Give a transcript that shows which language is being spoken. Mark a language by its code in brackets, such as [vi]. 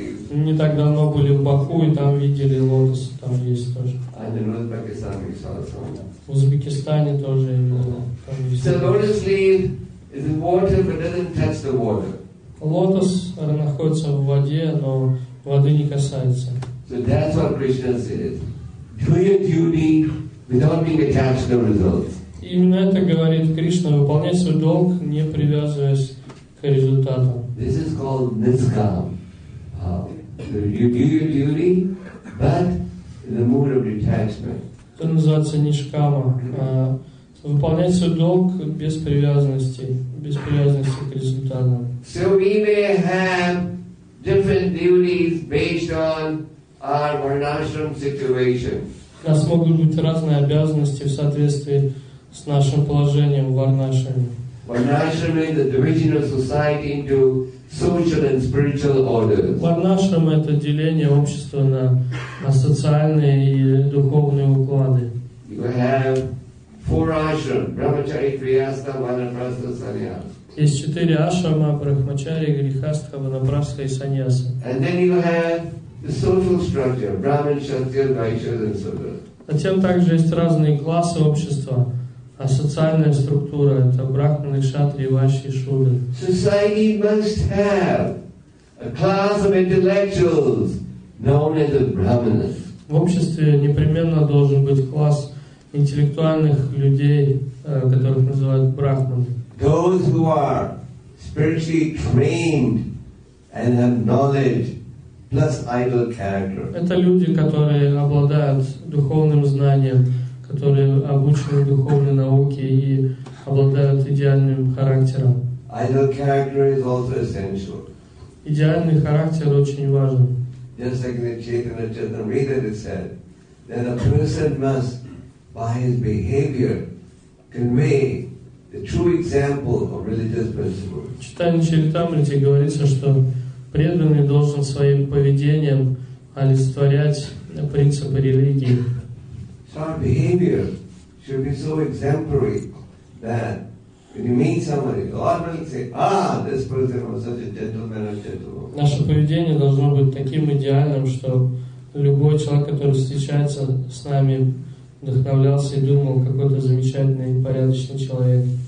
[ru] Не так давно были в Баку и там видели лотосы, там есть тоже. [en] And in Uzbekistan we saw some. [ru] В Узбекистане тоже видели. [en] So lotus leaf is in water but doesn't touch the water. [ru] Лотос находится в воде, но воды не касается. [en] So that's what Krishna says. Do your duty without being attached to the results. [ru] Именно это говорит Кришна, выполнять свой долг, не привязываясь к результатам. [en] This is called niskam. You do your duty, but in the mood of detachment. [ru] Это называется нишкама. Выполнять свой долг без привязанности, к результатам. [en] So we may have different duties based on our varnashram situation. [ru] У нас могут быть разные обязанности в соответствии с нашим положением в варнашраме. Варнашрама – это деление общества на социальные и духовные ордеры. Варнашрама – это деление общества на социальные и духовные уклады. [en] You have four ashram: Brahmachari, Grihastha, Vanaprastha, Sannyasa. [ru] Есть четыре ашрама: Брахмачари, Грихастха, Ванапрастха и Саньяса. [en] And then you have the social structure: Brahmin, Kshatriya, Vaishya, and Sudra. [ru] Затем также есть разные классы общества. А социальная структура – это брахманы, кшатрии, ваши и шудры. [en] Society must have a class of intellectuals known as the brahmanas. [ru] В обществе непременно должен быть класс интеллектуальных людей, которых называют брахманы. [en] Those who are spiritually trained and have knowledge plus idol character. [ru] Это люди, которые обладают духовным знанием, которые обучены духовной науке и обладают идеальным характером. [en] Idol character is also essential. [ru] Идеальный характер очень важен. [en] Just like in the Chaitanya Charitamrita it said, that a person must, by his behavior, convey the true example of religious principles. [ru] Читая Чайтамриту, говорится, что преданный должен своим поведением олицетворять принципы религии. [en] Our behavior should be so exemplary that when you meet somebody, God will say, "Ah, this person was such a gentleman and gentle." [ru] Наше поведение должно быть таким идеальным, что любой человек, который встречается с нами, вдохновлялся и думал, какой-то замечательный и порядочный человек.